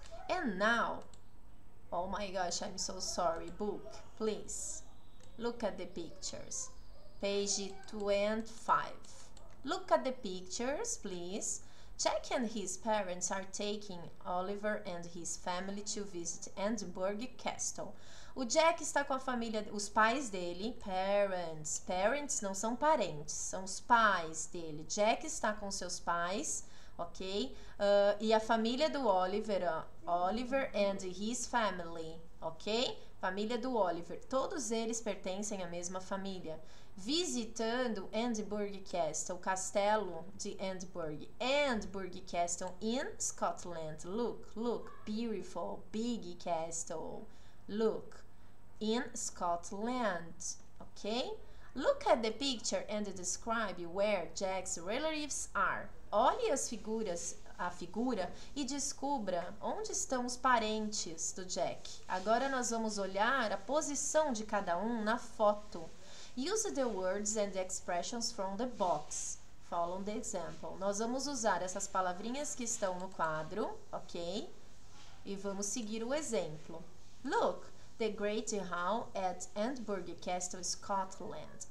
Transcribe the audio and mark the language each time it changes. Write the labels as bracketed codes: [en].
[en] And now, oh my gosh, I'm so sorry, book, please. Look at the pictures. Page 25. Look at the pictures, please. Jack and his parents are taking Oliver and his family to visit Edinburgh Castle. [pt] O Jack está com a família, os pais dele, parents. Parents não são parentes, são os pais dele. Jack está com seus pais, ok? E a família do Oliver, [en] Oliver and his family, [pt] ok? Família do Oliver. Todos eles pertencem à mesma família. Visitando Edinburgh Castle, o castelo de Edinburgh. [en] Edinburgh Castle in Scotland. Look, look, beautiful, big castle. Look, in Scotland, ok? Look at the picture and describe where Jack's relatives are. [pt] Olhe as figuras, a figura e descubra onde estão os parentes do Jack. Agora nós vamos olhar a posição de cada um na foto. [en] Use the words and expressions from the box. Follow the example. [pt] Nós vamos usar essas palavrinhas que estão no quadro, ok? E vamos seguir o exemplo. [en] Look, the great hall at Edinburgh Castle, Scotland.